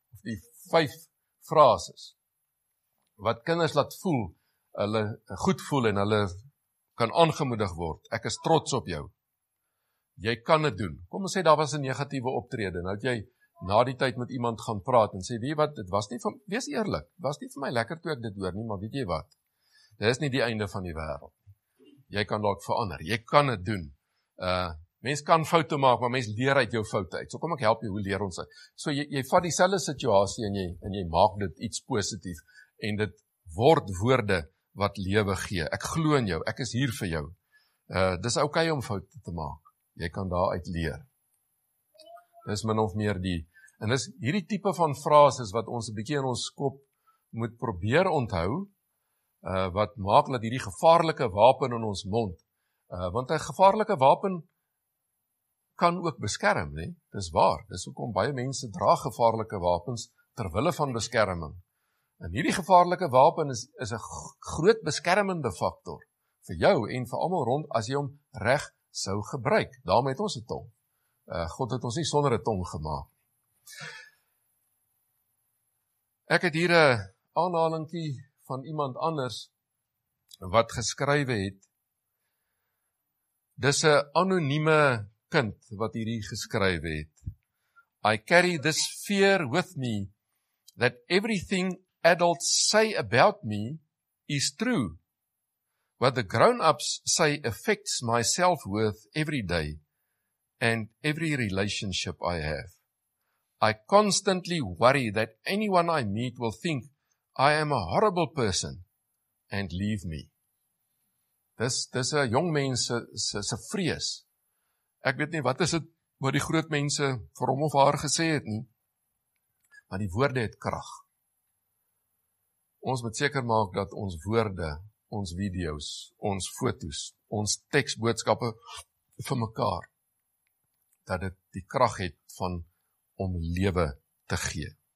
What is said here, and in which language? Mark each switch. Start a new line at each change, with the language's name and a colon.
Afrikaans: Of die 5 frases wat kinders laat voel, hulle goed voel en hulle kan aangemoedig word. Ek is trots op jou. Jy kan dit doen. Kom ons sê daar was 'n negatiewe optrede. Nou het jy na die tyd met iemand gaan praat en sê, weet wat, dit was nie van, wees eerlik, was nie vir my lekker toe ek dit hoor nie, maar weet jy wat, dit is nie die einde van die wêreld. Jy kan dalk verander, jy kan dit doen. Mens kan foute maak, maar mens leer uit jou foute uit. So kom ek help jou, hoe leer ons uit? So jy vat dieselfde situasie en jy maak dit iets positief en dit word woorde wat lewe gee. Ek glo in jou, ek is hier vir jou. Dis okay om foute te maak. Jy kan daaruit leer. Dis min of meer die, en dis hierdie tipe van frases wat ons 'n bietjie in ons kop moet probeer onthou, wat maak dat hierdie gevaarlike wapen in ons mond, want 'n gevaarlike wapen kan ook beskerm, nie? Dis waar, dis hoekom baie mense dra gevaarlike wapens ter wille van beskerming. En hierdie gevaarlike wapen is 'n groot beskermende faktor vir jou en vir almal rond as jy hom reg sou gebruik. Daarom het ons 'n tong. God het ons nie sonder 'n tong gemaak. Ek het hier 'n aanhalingkie van iemand anders wat geskrywe het. Dis 'n anonieme kind wat hierdie geskrywe het.
English: I carry this fear with me that everything adults say about me is true. What the grown-ups say affects my self-worth every day and every relationship I have. I constantly worry that anyone I meet will think I am a horrible person and leave me.
Afrikaans: Dis 'n jong mens se vrees. Ek weet nie wat is dit wat die groot mense vir hom of haar gesê het nie, maar die woorde het krag. Ons moet seker maak dat ons woorde, ons video's, ons foto's, ons teksboodskappe vir mekaar, dat dit die krag het van om lewe te gee.